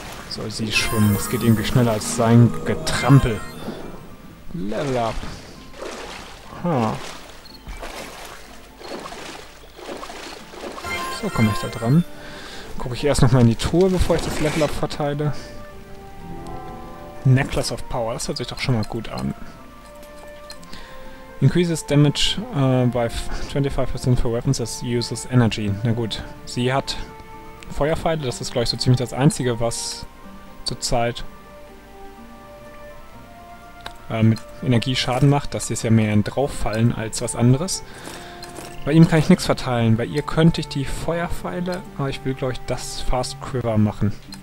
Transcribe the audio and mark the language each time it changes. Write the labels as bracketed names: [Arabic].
[German] Soll sie schwimmen. Es geht irgendwie schneller als sein Getrampel. Level up. So komme ich da dran. Gucke ich erst nochmal in die Truhe, bevor ich das Level up verteile. Necklace of Power. Das hört sich doch schon mal gut an. [English] Increases damage by 25% for weapons as uses energy. [German] Na gut. Sie hat Feuerpfeile. Das ist, glaube ich, so ziemlich das Einzige, was Zeit mit Energie Schaden macht. Das ist ja mehr ein Drauffallen als was anderes. Bei ihm kann ich nichts verteilen. Bei ihr könnte ich die Feuerpfeile, aber ich will, glaube ich, das Fast Quiver machen.